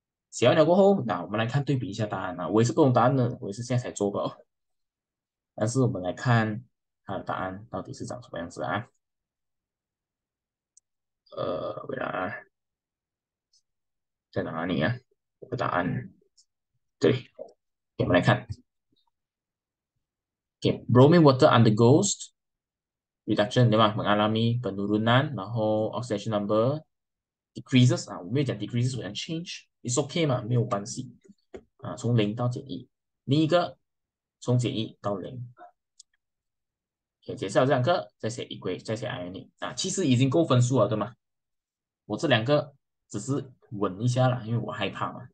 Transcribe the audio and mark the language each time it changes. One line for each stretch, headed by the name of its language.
Chinese: 写完了过后，那我们来看对比一下答案啊。我也是不懂答案的，我也是现在才做的哦。但是我们来看它的答案到底是长什么样子啊？为啥？在哪里啊？我的答案，对，给我们来看。 OK，
English: bromine water undergoes reduction，
Chinese: 对吧？
Malay: mengalami penurunan，
Chinese: 然后
English: oxidation number decreases
Chinese: 啊，我没有讲 decreases，我讲 change。
English: It's okay
Chinese: 嘛，没有关系啊。从零到减一，另一个从减一到零，可以解释了这两个，再写 equation，再写 ionic 啊，其实已经够分数了，对吗？我这两个只是稳一下啦，因为我害怕嘛。